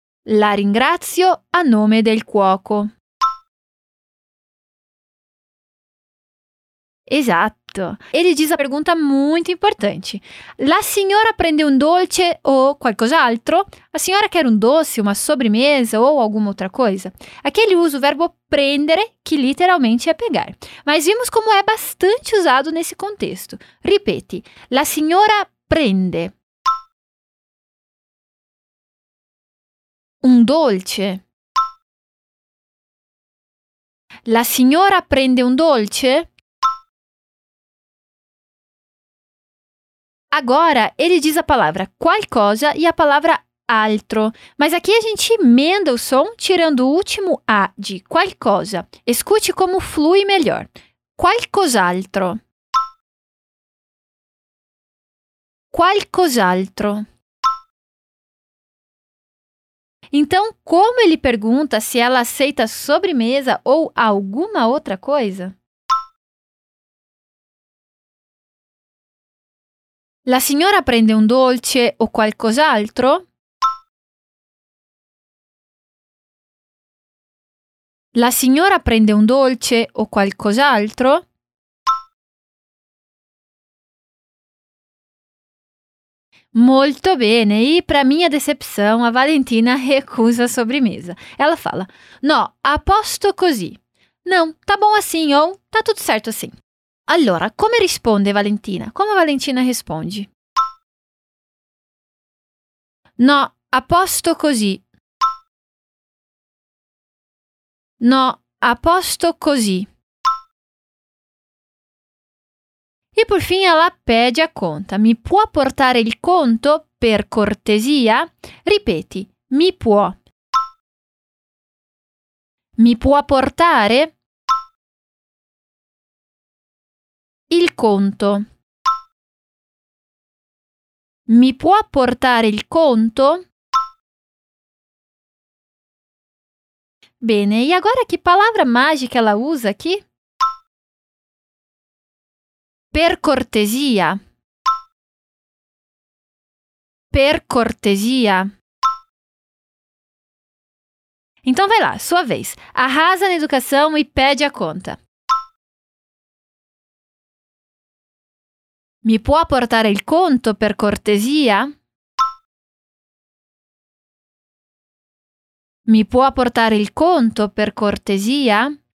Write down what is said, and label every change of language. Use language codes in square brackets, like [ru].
[it] La ringrazio a nome del cuoco. Esatto. [pt] Ele diz a pergunta muito importante. [it] La signora prende un dolce o qualcos'altro? [pt] A signora quer um doce, uma sobremesa ou alguma outra coisa? Aqui ele usa o verbo prendere, que literalmente é pegar. Mas vimos como é bastante usado nesse contexto. [it] Ripete. La signora prende un dolce. La signora prende un dolce? [pt] Agora, ele diz a palavra qualcosa e a palavra altro. Mas aqui a gente emenda o som tirando o último A de qualcosa. Escute como flui melhor. Qualcos'altro. [it] Qualcos'altro. [pt] Então, como ele pergunta se ela aceita sobremesa ou alguma outra coisa? [it] La signora prende un dolce o qualcos'altro? La signora prende un dolce o qualcos'altro? Molto bene, [pt] e para minha decepção, a Valentina recusa a sobremesa. Ela fala: [it] no, aposto così. [pt] Não, tá bom assim, ou tá tudo certo assim. [it] Allora, come risponde Valentina? Come Valentina risponde? No, a posto così. No, a posto così. [pt] E por fim ela pede a conta. [it] Mi può portare il conto per cortesia? Ripeti. Mi può. Mi può portare? Il conto. Mi può portare il conto? Bene, [pt] e agora che palavra magica ela usa qui? [it] Per cortesia. Per cortesia. [pt] Então vai lá, sua vez. Arrasa na educação e pede a conta. [it] Mi può portare il conto per cortesia? Mi può portare il conto per cortesia?